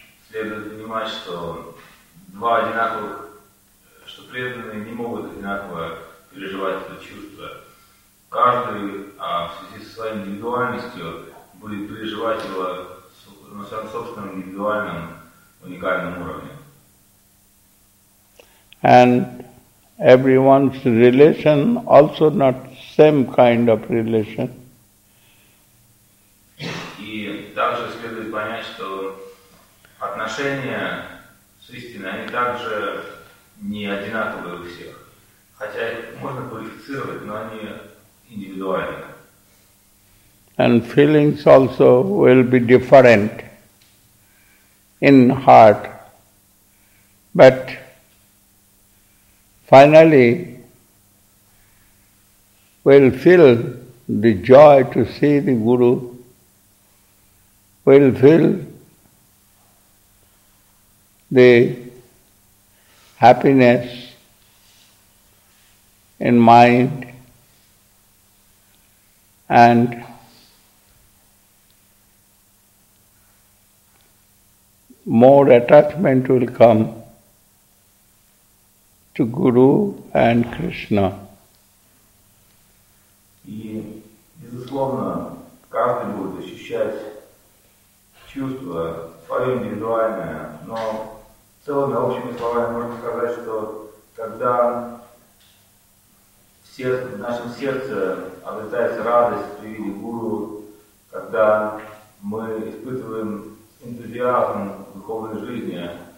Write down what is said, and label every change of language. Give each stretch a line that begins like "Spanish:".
Russian: Следует понимать, что два одинаковых, что преданные не могут одинаково переживать это чувство. Каждый в связи со своей индивидуальностью будет переживать его на своем собственном индивидуальном уникальном уровне.
English: And everyone's relation also not same kind of relation.
Russian: И также следует понять, что отношения с истиной, они также не одинаковые у всех. Хотя их можно квалифицировать, но они индивидуальны.
English: And feelings also will be different in heart. But finally, we'll feel the joy to see the Guru. We'll feel the happiness in mind, and more attachment will come to Guru and Krishna.
Russian: И, безусловно, каждый будет ощущать чувство свое индивидуальное, но в целом, на общими словами, можно сказать, что когда в сердце, в нашем сердце обретается радость при виде Гуру, когда мы испытываем энтузиазм в духовной жизни,